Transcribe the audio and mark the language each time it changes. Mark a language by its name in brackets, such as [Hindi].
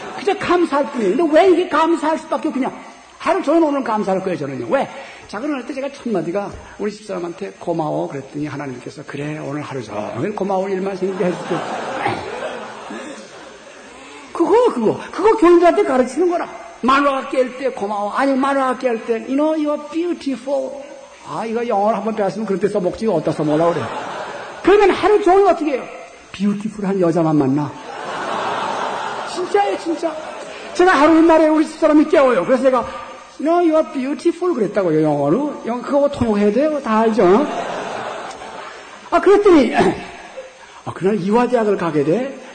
[Korean] 그저 감사할 뿐이에요. 근데 왜 이게 감사할 수밖에 없냐? 하루 종일 오늘 감사할 거예요, 저는요. 왜? 자, 그러할 때 제가 첫마디가 우리 집사람한테 고마워 그랬더니 하나님께서 그래, 오늘 하루 종일 고마울 일만 생기게 해줄게. 그거 교인들한테 가르치는 거라. 마누라가 깰 때 고마워. 아니, 마누라가 깰 때, [English] you know, you are beautiful. [Korean] 아, 이거 영어를 한번 배웠으면 그런 데 써먹지, 어디다 써먹으려고 그래. 그러면 하루 종일 어떻게 해요? 뷰티풀한 여자만 만나. 진짜예요, 진짜. 제가 하루 옛날에 우리 집사람이 깨워요. 그래서 제가, [English] No, you are beautiful [Korean] 그랬다고요, 영어로. 영어 그거 통역해야 돼요? 다 알죠? 아, 그랬더니, 아, 그날 이화대학을 가게 돼.